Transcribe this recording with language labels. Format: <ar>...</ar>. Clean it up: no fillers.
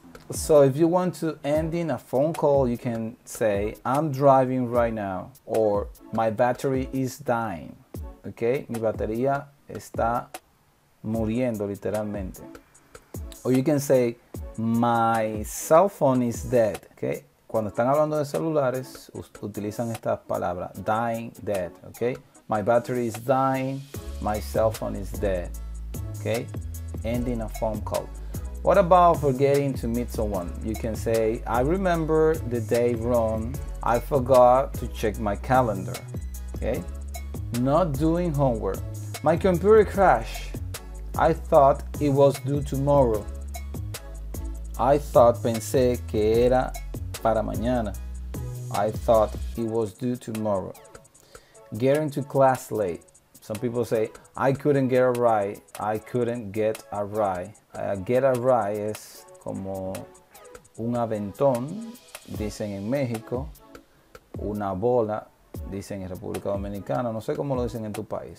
<en>So if you want to end in a phone call, you can say, I'm driving right now, or my battery is dying, okay?</en> <es>Mi batería está muriendo, literalmente.</es> <en>Or you can say, my cell phone is dead, okay?</en> <es>Cuando están hablando de celulares, utilizan esta palabra,</es> <en>dying, dead,</en> <es>okay?</es> <en>My battery is dying, my cell phone is dead, okay? Ending a phone call. What about forgetting to meet someone? You can say, I remember the day Ron, I forgot to check my calendar, okay? Not doing homework. My computer crashed. I thought it was due tomorrow. I thought,</en> <es>pensé que era para mañana.</es> <en>I thought it was due tomorrow. Getting to class late. Some people say, I couldn't get a ride. I couldn't get a ride. Get a ride</en> <es>es como un aventón, dicen en México. Una bola, dicen en República Dominicana. No sé cómo lo dicen en tu país.</es>